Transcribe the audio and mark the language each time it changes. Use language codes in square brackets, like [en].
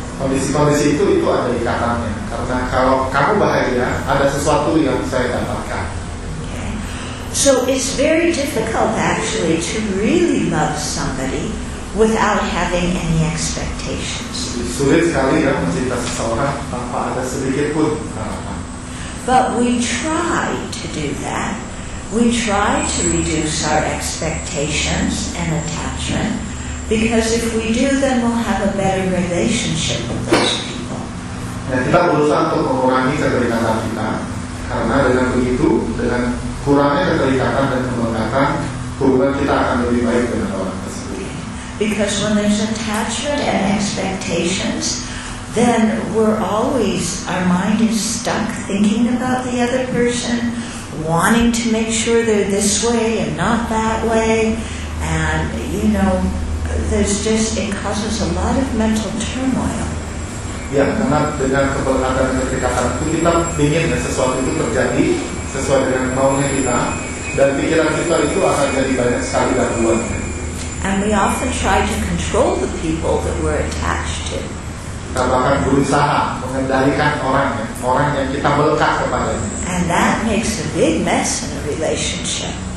[id] Kondisi-kondisi itu ada ikatannya. Karena kalau kamu bahagia, ada sesuatu yang saya dapatkan. [en] Okay. So it's very difficult actually to really love somebody without having any expectations. [id] Sulit sekali ya mencintai seseorang tanpa ada sedikit pun harapan. [en] But we try to do that. We try to reduce our expectations and attachment because if we do, then we'll have a better relationship with those people. [id] Nah, kita berusaha untuk mengurangi keterikatan kita karena dengan begitu, dengan kurangnya keterikatan dan pembengkakan, hubungan kita akan lebih baik dengan orang tersebut. [en] Because when there's attachment and expectations, then we're always, our mind is stuck thinking about the other person, wanting to make sure they're this way and not that way, and you know, there's just, it causes a lot of mental turmoil. [id] Ya, karena dengan keberkatan dan keterikatan itu, kita ingin sesuatu itu terjadi sesuai dengan maunya kita, dan pikiran kita itu akan jadi banyak sekali gangguan. [en] And we often try to control the people that we're attached to. [id] Kita bahkan berusaha mengendalikan orang yang kita melekat kepadanya. [en] And that makes a big mess in a relationship.